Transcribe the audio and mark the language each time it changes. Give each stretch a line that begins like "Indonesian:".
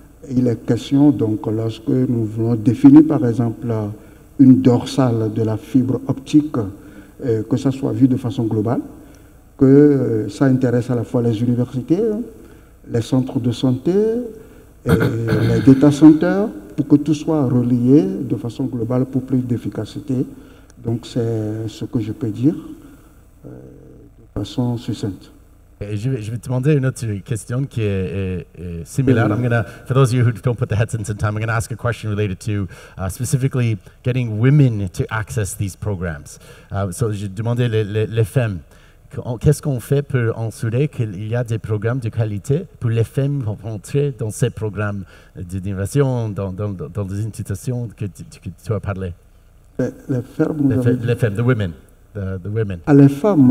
French: Il est question, donc, lorsque nous voulons définir, par exemple, une dorsale de la fibre optique, que ça soit vu de façon globale, que ça intéresse à la fois les universités, les centres de santé, et les data centers, pour que tout soit relié de façon globale pour plus d'efficacité. Donc c'est ce que je peux dire de façon succincte. Je vais te demander une autre question qui est similaire.
English: Yeah. I'm gonna, for those of you who don't put the headsets in time, I'm going to ask a question related to specifically getting women to access these programs.
French: So je demandais les femmes. Qu'est-ce qu'on fait pour assurer qu'il y a des programmes de qualité pour les femmes rentrer dans ces programmes d'innovation, dans les institutions que tu as parlé? Les femmes,
English: the women. The women.
French: Ah, les femmes.